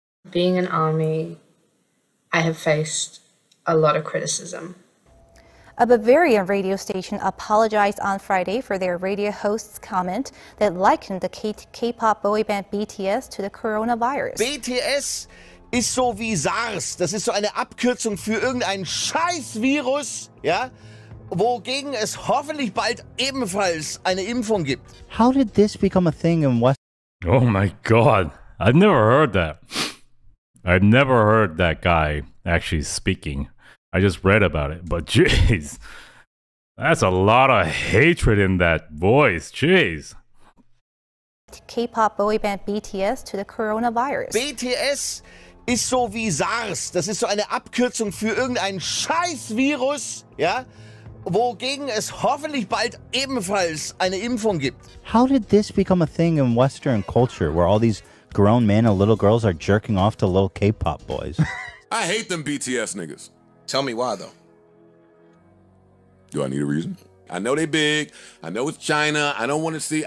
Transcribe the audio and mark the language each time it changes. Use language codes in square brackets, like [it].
[en] Being an ARMY, I have faced a lot of criticism. A Bavarian radio station apologized on Friday for their radio host's comment that likened the K-pop boy band BTS to the coronavirus. [de] BTS is so wie SARS. Das ist so eine Abkürzung für irgendein Scheißvirus, ja? Wogegen es hoffentlich bald ebenfalls eine Impfung gibt. [en] How did this become a thing in West? Oh my God. I've never heard that. I've never heard that guy actually speaking. I just read about it. But jeez. That's a lot of hatred in that voice. Jeez. K-pop boy band BTS to the coronavirus. [de] BTS ist so wie SARS. Das ist so eine Abkürzung für irgendein Scheißvirus. Ja? Wogegen es hoffentlich bald ebenfalls eine Impfung gibt. [en] How did this become a thing in Western culture where all these grown men and little girls are jerking off to little K-pop boys? I hate them BTS niggas. Tell me why though. Do I need a reason? I know they big. I know it's China. I don't want to see it.